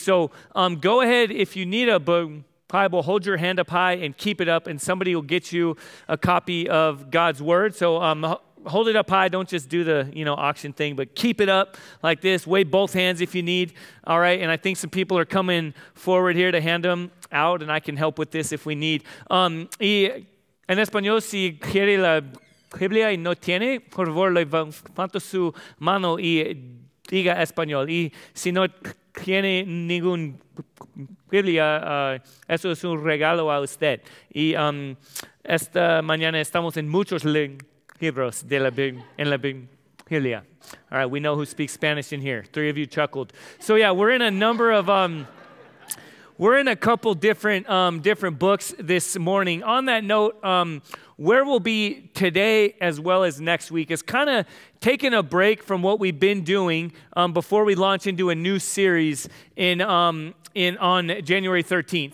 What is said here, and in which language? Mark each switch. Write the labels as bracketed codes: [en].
[en] So go ahead, if you need a book, Bible, hold your hand up high and keep it up, and somebody will get you a copy of God's word. So hold it up high. Don't just do the, you know, auction thing, but keep it up like this. Wave both hands if you need. All right. And I think some people are coming forward here to hand them out, and I can help with this if we need. [es] En español, si quiere la Biblia y no tiene, por favor, levanta su mano y diga español. Y si no tiene ningún Biblia, eso es un regalo a usted. Y esta mañana estamos en muchos libros de la en la Biblia. [en] All right, we know who speaks Spanish in here. Three of you chuckled. So yeah, we're in a number of we're in a couple different books this morning. On that note, where we'll be today as well as next week is kind of taking a break from what we've been doing before we launch into a new series on January 13th.